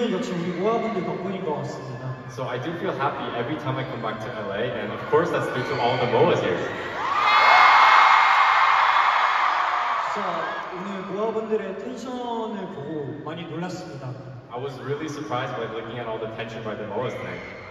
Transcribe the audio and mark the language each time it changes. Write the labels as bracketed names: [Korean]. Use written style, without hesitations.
[English] So I do feel happy every time I come back to LA, and of course that's due to all the Moas here. [Korean] 진짜 오늘 모아분들의 텐션을 보고 많이 놀랐습니다. [English] I was really surprised by looking at all the tension by the Moas tonight.